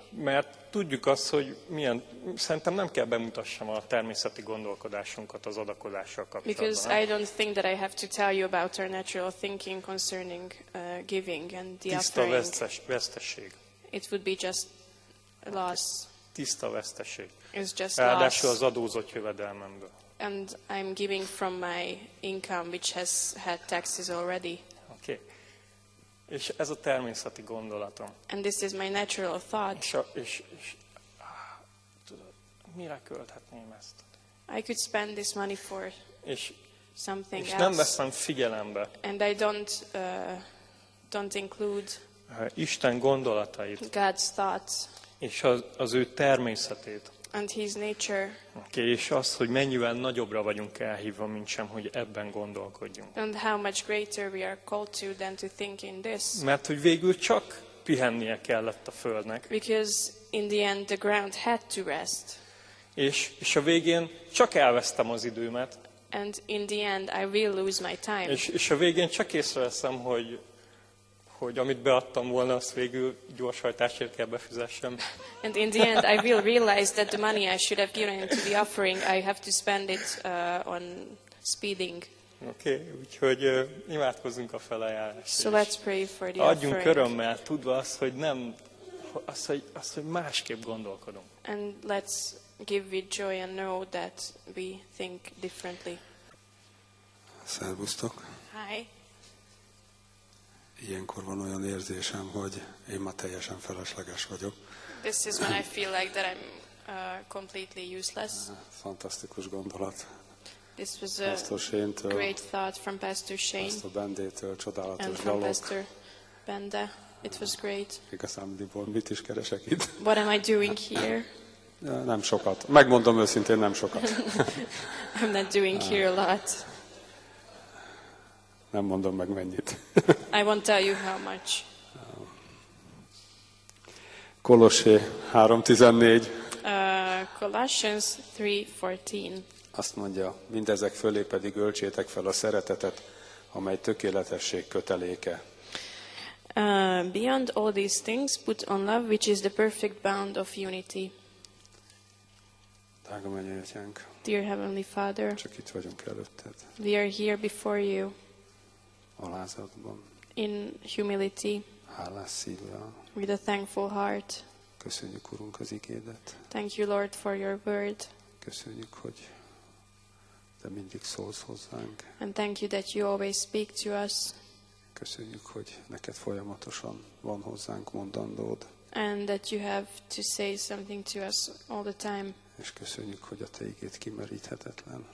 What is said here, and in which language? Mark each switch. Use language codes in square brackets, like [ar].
[hu] Mert tudjuk azt, hogy milyen, szerintem nem kell bemutassam a természeti gondolkodásunkat az adakozással kapcsolatban. [en] Because I don't think that I have to tell you about our natural thinking concerning giving and the offering. [hu] Tiszta veszteség. [en] It would be just loss. [hu] Tiszta veszteség. [en] It's just loss. [hu] Ráadásul az adózott jövedelmemből. [en] And I'm giving from my income, which has had taxes already. Okay. [hu] És ez a természeti gondolatom. [en] And this is my natural thought. [hu] Mire költhetném ezt? [en] I could spend this money for something else. [hu] És nem veszem figyelembe. [en] And I don't include [hu] Isten gondolatait. [en] God's thoughts. [hu] És az ő természetét. [en] And his nature. [hu] Okay, és az, hogy mennyivel nagyobbra vagyunk elhívva, mint sem, hogy ebben gondolkodjunk. [en] And how much greater we are called to than to think in this. [hu] Mert hogy végül csak pihennie kellett a földnek. [en] Because in the end the ground had to rest. [hu] És a végén csak elvesztem az időmet. [en] And in the end I will lose my time. [hu] És a végén csak észreveszem, hogy amit beadtam volna, azt végül gyorshajtásért kell befizessem. [en] And in the end I will realize that the money I should have given to the offering, I have to spend it on speeding. [hu] Okay, úgyhogy imádkozzunk a felajánlásért. [en] So let's pray for the offering. [hu] Adjunk örömmel, tudva azt, hogy másképp gondolkodunk. [en] And let's give with joy and know that we think differently. [hu] Szervusztok. [en] Hi. [hu] Ilyenkor van olyan érzésem, hogy én már teljesen felesleges vagyok. [en] This is when I feel like that I'm completely useless. [hu] Fantasztikus gondolat. [en] This was a great thought from Pastor Shane. [hu] Pastor Bendétől csodálatos dolog. [en] And from Pastor Benda, it was great. [hu] Igazándiból mit is keresek itt? [en] What am I doing here? [hu] Nem sokat. Megmondom őszintén, nem sokat. [en] I'm not doing here a lot. [hu] Nem mondom meg mennyit. [en] I won't tell you how much. [hu] Kolossé 3:14. [en] Colossians 3:14. [hu] Azt mondja, mindezek fölé pedig öltsétek fel a szeretetet, amely tökéletesség köteléke. [en] Beyond all these things, put on love, which is the perfect bond of unity. [hu] Drága mennyi atyánk. [en] Dear Heavenly Father. [hu] Csak itt vagyunk előtted. [en] We are here before you. [hu] Alázatban. [en] In humility. [hu] Hálás szívvel. [en] With a thankful heart. [hu] Köszönjük, Urunk, az igédet. [en] Thank you, Lord, for your word. [hu] Köszönjük, hogy te mindig szólsz hozzánk. [en] And thank you that you always speak to us. [hu] Köszönjük, hogy neked folyamatosan van hozzánk mondandód. [en] And that you have to say something to us all the time. [hu] És köszönjük, hogy a te igéd kimeríthetetlen.